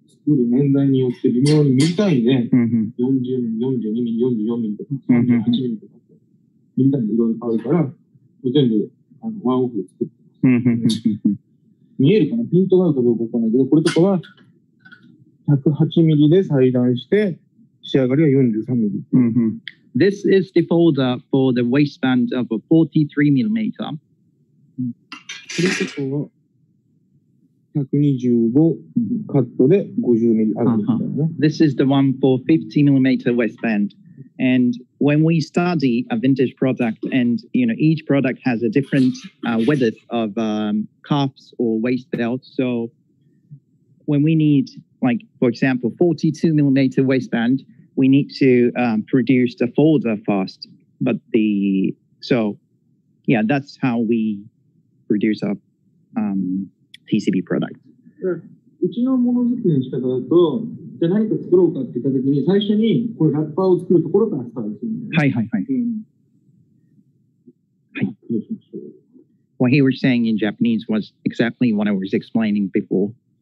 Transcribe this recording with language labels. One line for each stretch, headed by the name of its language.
Japanese: 作る年代によって微妙に短いね、40ミリ、42ミリ、44ミリとか、38ミリとか、みたいにいろいろ変わるから、全部ワンオフで作ってます。見えるかな、ピントがあるかどうかわからないけど、これとかは108ミリで裁断して、仕上がりは43ミリ。
English: This is the folder for the waistband of a 43 millimeter.
Japanese: これとかは125カットで50ミリあるんですよね。
English: This is the one for 50 millimeter waistband. And when we study a vintage product, and you know, each product has a different width of cuffs or waist belts. So when we need, like for example, 42 millimeter waistband, we need to produce the folder first. But the so yeah, that's how we produce our PCB product.
Japanese: うちのものづくりの仕方だと、じゃ何か作ろうかって言った時に、最初にこれラッパーを作るところからスタートするんです。
English: はいはいはい。うん、 What he was saying in Japanese was exactly what I was explaining before.